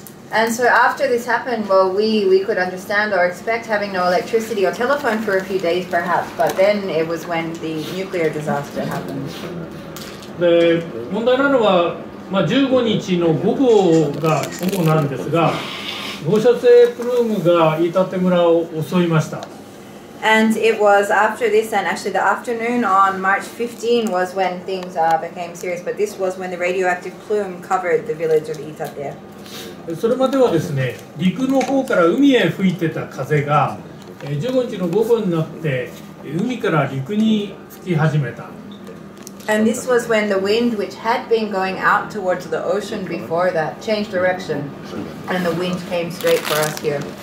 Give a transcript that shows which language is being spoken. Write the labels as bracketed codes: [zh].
[en] And so after this happened, well, we could understand or expect having no electricity or telephone for a few days perhaps, but then it was when the nuclear disaster happened. [ja] で、問題なのは、まあ、15日の午後が午後なんですが、放射性プルームが飯舘村を襲いました。 [en] And it was after this, and actually the afternoon on March 15 was when things became serious, but this was when the radioactive plume covered the village of Itate. [ja] それまではですね、陸の方から海へ吹いてた風が、15日の午後になって海から陸に吹き始めた。 [en] And this was when the wind, which had been going out towards the ocean before that, changed direction, and the wind came straight for us here.